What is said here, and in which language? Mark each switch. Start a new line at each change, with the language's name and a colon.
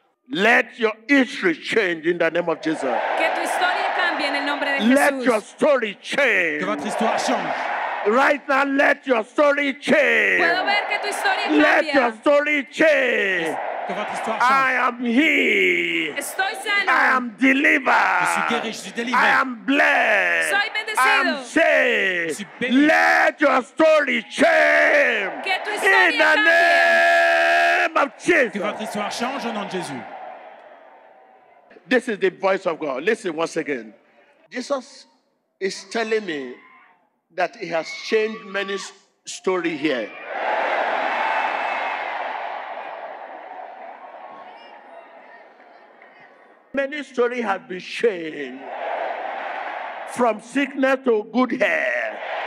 English: Let your history change in the name of Jesus.
Spanish: Que tu historia cambie en el nombre de Jesús.
English: Let your story change.
French: Que votre histoire change.
English: Right now, let your story change.
Spanish: Puedo ver que tu historia cambie.
English: Let your story change.
French: Que votre histoire change.
English: I am healed.
Spanish: Estoy sano.
English: I am delivered.
French: Je suis guéri, je suis délivré.
English: I am blessed.
Spanish: Soy bendecido.
English: I am saved.
French: Je suis béni.
English: Let your story change.
Spanish: Que tu historia cambie.
English: In the name.
French: Que votre histoire change au nom de Jésus.
English: This is the voice of God. Listen once again. Jesus is telling me that he has changed many story here. Many story have been changed from sickness to good hair.